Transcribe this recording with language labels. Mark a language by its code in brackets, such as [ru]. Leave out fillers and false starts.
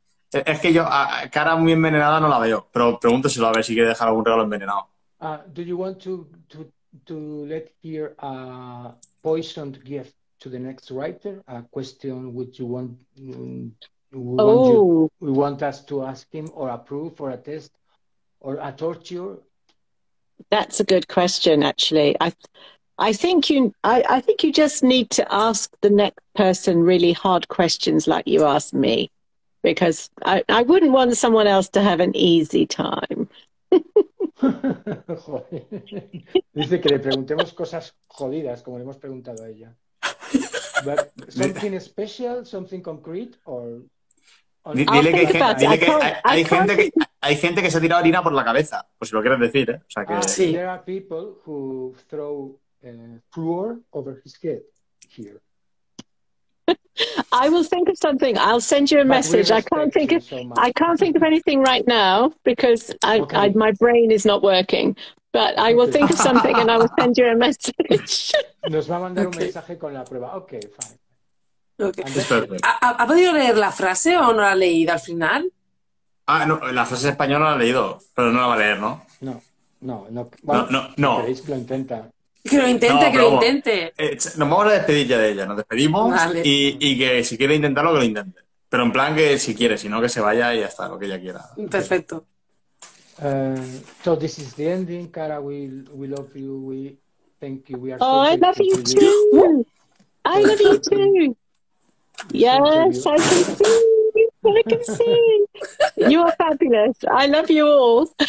[es] Es que yo, a Cara muy envenenada no la veo, pero pregúnteselo a ver si quiere dejar algún regalo envenenado. [en] Do you want to let here a poisoned gift to the next writer? A question which you want. We want us to ask him or approve or a test or a torture? That's a good question, actually. I think you just need to ask the next person really hard questions like you asked me, because I wouldn't want someone else to have an easy time. [es] Dice que le preguntemos cosas jodidas como le hemos preguntado a ella. [en] But something special, something concrete, or... [es] Dile que hay gente que se ha tirado harina por la cabeza, pues si lo quieres decir, ¿eh? O sea que... sí. [en] There are people who throw flour over his head here. I will think of something. I'll send you a message. I can't think of anything right now because my brain is not working. But I will think of something and I will send you a message. [es] Nos va a mandar un mensaje con la prueba. [en] Okay, fine. Okay. [es] ¿Ha podido leer la frase o no la ha leído al final? Ah, no, la frase española la ha leído, pero no la va a leer, ¿no? No. Que lo intenta. Que lo intente. Nos vamos a despedir ya de ella, nos despedimos. Vale. Y que si quiere intentarlo, que lo intente. Pero en plan que si quiere, si no, que se vaya y ya está, lo que ella quiera. Perfecto. [en] So this is the ending. Cara, we love you. We Thank you. We are so I love you too. You are fabulous. I love you all.